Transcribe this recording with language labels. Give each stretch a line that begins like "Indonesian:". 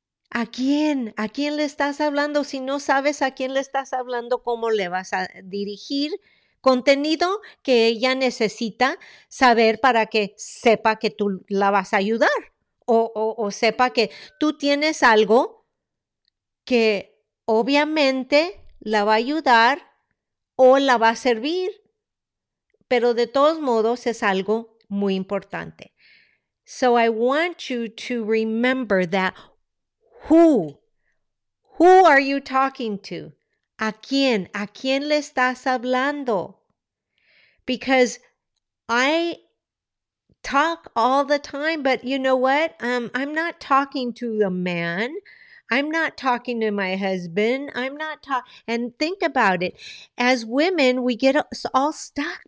Spanish: ¿A quién le estás hablando? Si no sabes a quién le estás hablando, ¿cómo le vas a dirigir contenido que ella necesita saber para que sepa que tú la vas a ayudar o sepa que tú tienes algo que obviamente la va a ayudar o la va a servir? Pero de todos modos es algo muy importante.
English: So I want you to remember that who are you talking to?
Spanish: A quién le estás hablando?
English: Because I talk all the time, but you know what? I'm not talking to a man. I'm not talking to my husband. I'm not talking. And think about it. As women, we get all stuck.